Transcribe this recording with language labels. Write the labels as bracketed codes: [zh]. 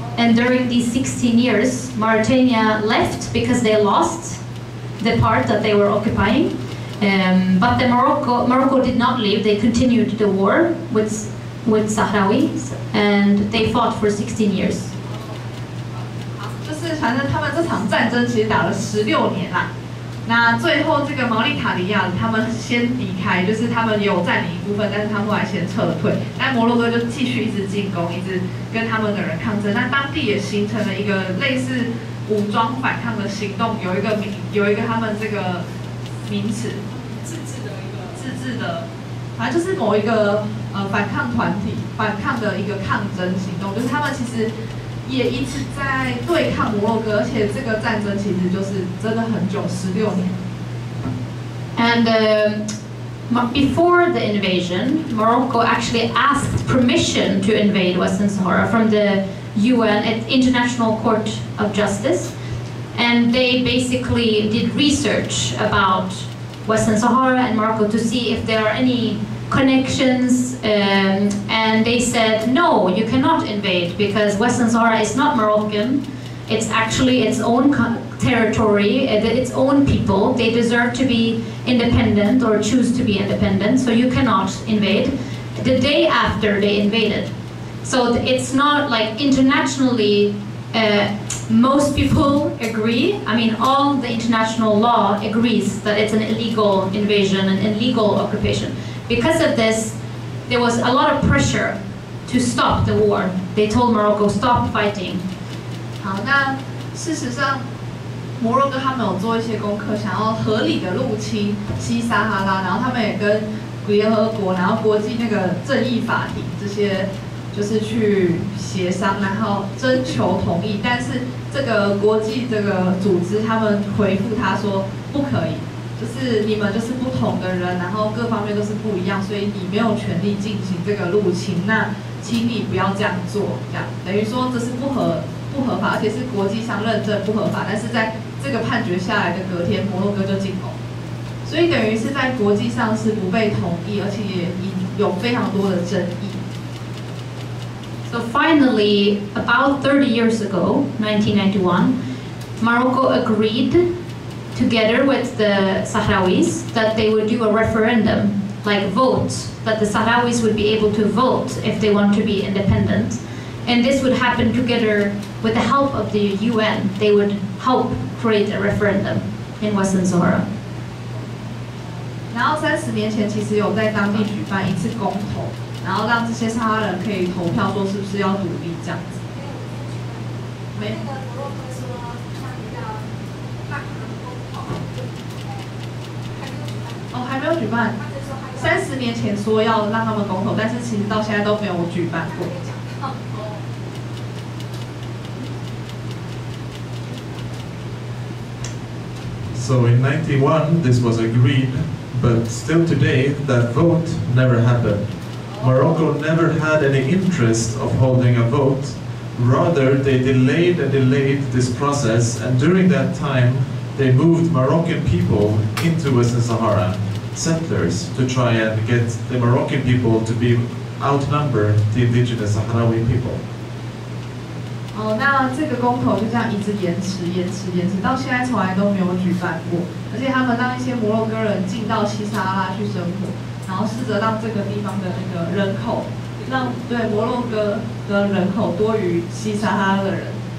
[en] And during these 16 years, Mauritania left because they lost the part that they were occupying. But the Morocco did not leave. They continued the war with Sahrawis, and they fought for 16 years. [zh] 就是反正他们这场战争其实打了16年啦。那最后这个毛利塔尼亚他们先离开，就是他们有占领一部分，但是他们后来先撤退。但摩洛哥就继续一直进攻，一直跟他们的人抗争。那当地也形成了一个类似武装反抗的行动，有一个他们这个。名词，自治的，反正就是某一个反抗团体反抗的一个抗争行动，就是他们其实也一直在对抗摩洛哥，而且这个战争其实就是真的很久，16年。 [en] And before the invasion, Morocco actually asked permission to invade Western Sahara from the UN, International Court of Justice, and they basically did research about Western Sahara and Morocco to see if there are any connections, and they said, no, you cannot invade because Western Sahara is not Moroccan. It's actually its own territory, its own people. They deserve to be independent or choose to be independent, so you cannot invade. The day after they invaded. So it's not like internationally, most people agree. I mean, all the international law agrees that it's an illegal invasion, an illegal occupation. Because of this, there was a lot of pressure to stop the war. They told Morocco, stop fighting. [zh] 好，那事实上，摩洛哥他们有做一些功课，想要合理的入侵西撒哈拉，然后他们也跟联合国，然后国际那个正义法庭这些，就是去协商，然后征求同意。但是这个国际这个组织，他们回复他说不可以，就是你们就是不同的人，然后各方面都是不一样，所以你没有权利进行这个入侵。那请你不要这样做，这样等于说这是不合法，而且是国际上认证不合法，但是在这个判决下来的隔天，摩洛哥就进攻，所以等于是在国际上是不被同意，而且也有非常多的争议。 [en] So finally, about 30 years ago, 1991, Morocco agreed together with the Sahrawis that they would do a referendum, like vote, that the Sahrawis would be able to vote if they want to be independent. And this would happen together with the help of the UN. They would help create a referendum in Western Sahara. [zh] 然后30年前其实有在当地举办一次公投，然后让这些撒哈拉人可以投票，说是不是要独立这样子。没有。哦，还没有举办。三十年前说要让他们公投，但是其实到现在都没有举办过。 [en] So in 91, this was agreed, but still today, that vote never happened. Morocco never had any interest of holding a vote. Rather, they delayed and delayed this process, and during that time, they moved Moroccan people into Western Sahara settlers to try and get the Moroccan people to be outnumbered the indigenous Sahrawi people. [zh] 那这个公投就这样一直延迟，到现在从来都没有举办过，而且他们让一些摩洛哥人进到西撒哈拉去生活。然后试着让这个地方的那个人口，让对摩洛哥的人口多于西撒哈拉的人。